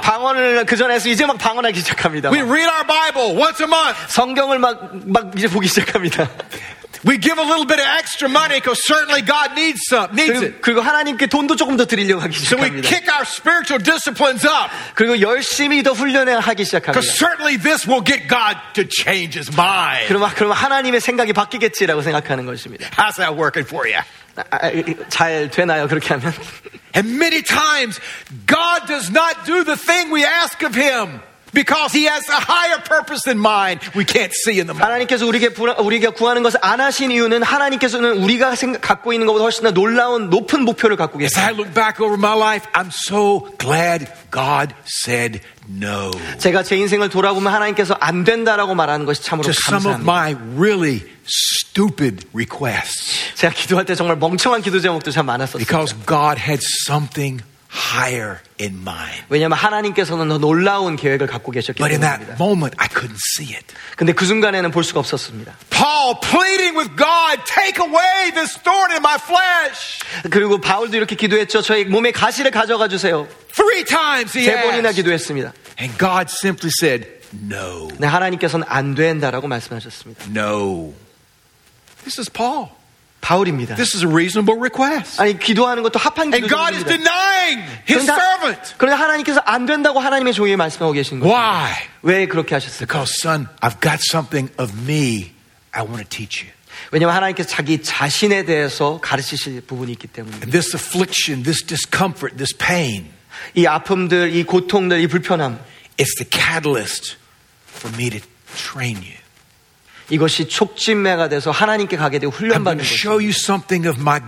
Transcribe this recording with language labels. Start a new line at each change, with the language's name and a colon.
Korean: 방언을 그 전에서 이제 막 방언하기 시작합니다.
English: We read our Bible once a month.
Korean: 성경을 막 이제 보기 시작합니다.
English: We give a little bit of extra money because certainly God needs some. Needs it.
Korean: 그리고 하나님께 돈도 조금 더 드리려고 하기 시작합니다.
English: So we kick our spiritual disciplines up.
Korean: 그리고 열심히 더 훈련을 하기 시작합니다.
English: Because certainly this will get God to change His mind.
Korean: 그럼 하나님의 생각이 바뀌겠지라고 생각하는 것입니다.
English: How's that working for you?
Korean: 잘 되나요 그렇게 하면?
English: And many times God does not do the thing we ask of Him. Because he has a higher purpose than mine, we can't see in the moment.
Korean: 하나님께서 우리가 구하는 것을 안 하신 이유는 하나님께서는 우리가 갖고 있는 것보다 훨씬 더 놀라운 높은 목표를 갖고 계세요.
English: As I look back over my life, I'm so glad God said no.
Korean: 제가 제 인생을 돌아보면 하나님께서 안 된다라고 말하는 것이 참으로 감사합니다.
English: To some of my really stupid requests.
Korean: 제가 기도할 때 정말 멍청한 기도 제목도 참 많았었어요.
English: Because God had something higher in mind.
Korean: 왜냐면 하나님께서는 더 놀라운 계획을 갖고 계셨기 때문입니다.
English: But in that moment, I couldn't see it.
Korean: 근데 그 순간에는 볼 수가 없었습니다.
English: Paul pleading with God, take away this thorn in my flesh.
Korean: 그리고 바울도 이렇게 기도했죠. 저의 몸에 가시를 가져가 주세요.
English: Three times he asked.
Korean: 세 번이나 기도했습니다.
English: And God simply said, no.
Korean: 네, 하나님께서는 안 된다라고 말씀하셨습니다.
English: No. This is Paul.
Korean: 바울입니다.
English: This is a reasonable request.
Korean: 아니 기도하는 것도 합한 기도입니다.
English: And God is denying His servant.
Korean: 그런데 하나님께서 안 된다고 하나님의 종에게 말씀하고 계신 거예요.
English: Why?
Korean: 왜 그렇게 하셨을까요?
English: Because son, I've got something of me I want to teach you.
Korean: 왜냐하면 하나님께서 자기 자신에 대해서 가르치실 부분이 있기 때문입니다.
English: And this affliction, this discomfort, this pain.
Korean: 이 아픔들, 이 고통들, 이 불편함.
English: It's the catalyst for me to train you.
Korean: 이것이 촉진매가 돼서 하나님께 가게 되고 훈련받는 것입니다.